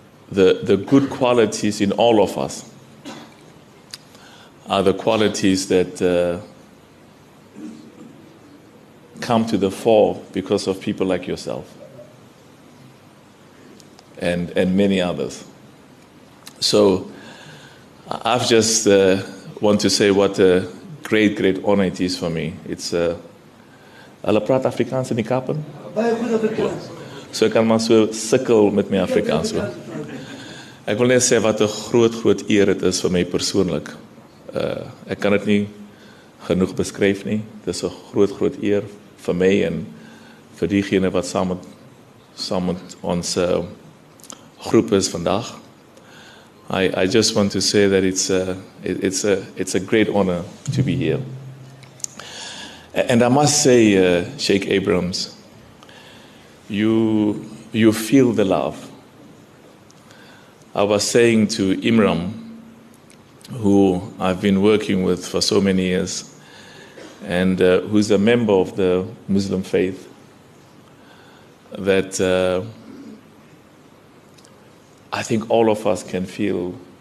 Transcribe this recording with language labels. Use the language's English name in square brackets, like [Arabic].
[English] The good qualities in all of us are the qualities that come to the fore because of people like yourself and many others. So I've just want to say what a great, great honor it is for me. It's a la prat Afrikaans in die kappen. So I can also circle with me Afrikaans. [Afrikaans] Ek wil net sê wat 'n groot, groot eer dit is vir my persoonlik. Ek kan dit nie genoeg beskryf nie. Dit is 'n groot, groot eer vir my en vir diegene wat saam met ons groep is vandag. [English] I just want to say that it's a great honor to be here. And I must say, Sheikh Abrams, you feel the love. I was saying to Imram, who I've been working with for so many years, and who's a member of the Muslim faith, that I think all of us can feel